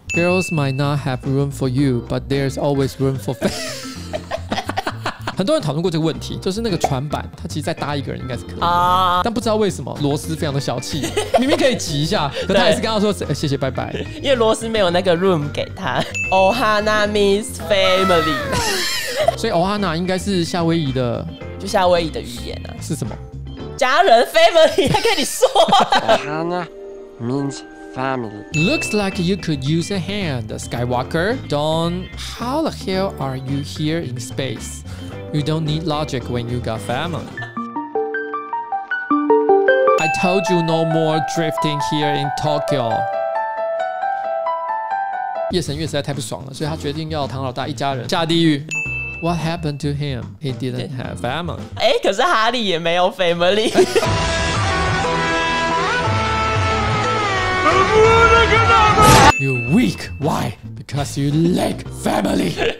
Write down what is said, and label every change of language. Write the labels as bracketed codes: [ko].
[en] Girls might not have room for you, but there's always room for family. [zh] 很多人讨论过这个问题，就是那个船板它其实再搭一个人应该是可以的、但不知道为什么螺丝非常的小气，明明可以挤一下，可他还是跟他说、谢谢拜拜，因为螺丝没有那个 room 给他。 [en] Ohana means family. [zh] 所以 Ohana 应该是夏威夷的，就夏威夷的语言啊，是什么家人 family 他跟你说。 [en] Ohana means family. Looks like you could use a hand, Skywalker. Dawn, how the hell are you here in spaceYou don't need logic when you got family. I told you no more drifting here in Tokyo. [zh] 夜神月实在太不爽了，所以他决定要唐老大一家人下地狱。 [en] What happened to him? He didn't have family. [zh] 可是哈利也没有 family. [en] You weak, why? Because you lack family.